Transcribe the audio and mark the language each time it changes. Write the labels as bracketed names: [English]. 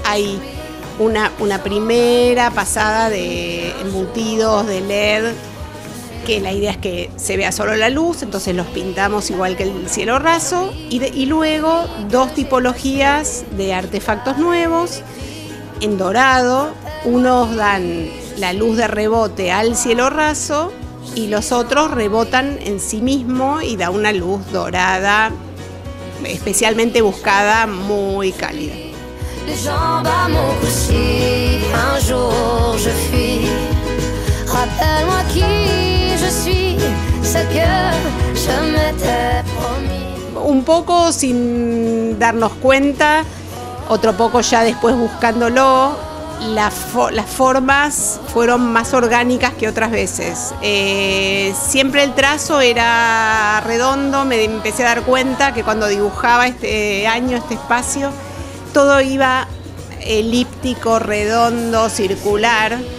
[Spanish] Hay una primera pasada de embutidos de LED, que la idea es que se vea solo la luz, entonces los pintamos igual que el cielo raso, y luego dos tipologías de artefactos nuevos en dorado. Unos dan la luz de rebote al cielo raso y los otros rebotan en sí mismo y da una luz dorada especialmente buscada, muy cálida. [French] Les jambes à mon cou si un jour je fuis. Rappelle-moi qui je suis, ce que je m'étais promis. [Spanish] Un poco sin darnos cuenta, otro poco ya después buscándolo, las formas fueron más orgánicas que otras veces. Siempre el trazo era redondo, me empecé a dar cuenta que cuando dibujaba este año, este espacio, todo iba elíptico, redondo, circular.